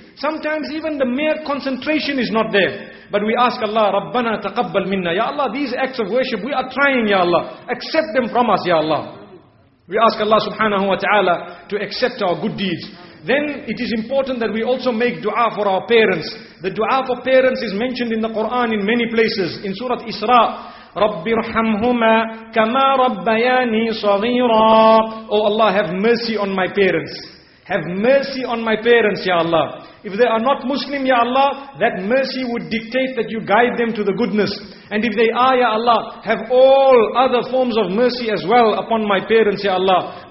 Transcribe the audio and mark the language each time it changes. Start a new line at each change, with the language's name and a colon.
English: Sometimes even the mere concentration is not there. But we ask Allah,
Arabic: رَبَّنَا تَقَبَّلْ مِنَّا.
English: Ya Allah, these acts of worship, we are trying, Ya Allah. Accept them from us, Ya Allah. We ask Allah subhanahu wa ta'ala to accept our good deeds. Then it is important that we also make dua for our parents. The dua for parents is mentioned in the Quran in many places. In Surah Isra,
Arabic: رَبِّ رَحَمْهُمَا كَمَا رَبَّيَانِي صَغِيرًا.
English: Oh Allah, have mercy on my parents. Have mercy on my parents, Ya Allah. If they are not Muslim, Ya Allah, that mercy would dictate that you guide them to the goodness. And if they are, Ya Allah, have all other forms of mercy as well upon my parents, Ya Allah.